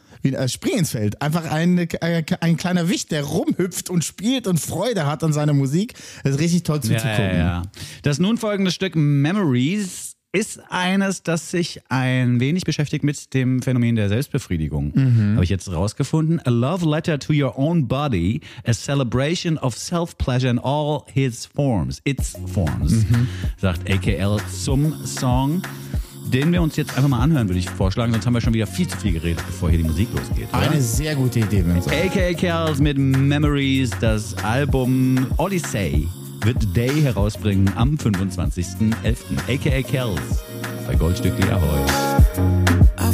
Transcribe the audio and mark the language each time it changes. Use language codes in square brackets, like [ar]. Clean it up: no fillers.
[de] Wie ein Spring ins Feld. Einfach ein kleiner Wicht, der rumhüpft und spielt und Freude hat an seiner Musik. Das ist richtig toll zuzugucken. Ja, ja, ja. Das nun folgende Stück Memories ist eines, das sich ein wenig beschäftigt mit dem Phänomen der Selbstbefriedigung. Mhm. Habe ich jetzt rausgefunden. [en] A love letter to your own body, a celebration of self-pleasure in all its forms. Its forms, [de] sagt AKL zum Song. den wir uns jetzt einfach mal anhören, würde ich vorschlagen. Sonst haben wir schon wieder viel zu viel geredet, bevor hier die Musik losgeht. Oder? Eine sehr gute Idee, wenn man sagt. AKA Kells mit Memories, das Album Odyssey wird Day herausbringen am 25.11. AKA Kells bei Goldstückli Ahoy.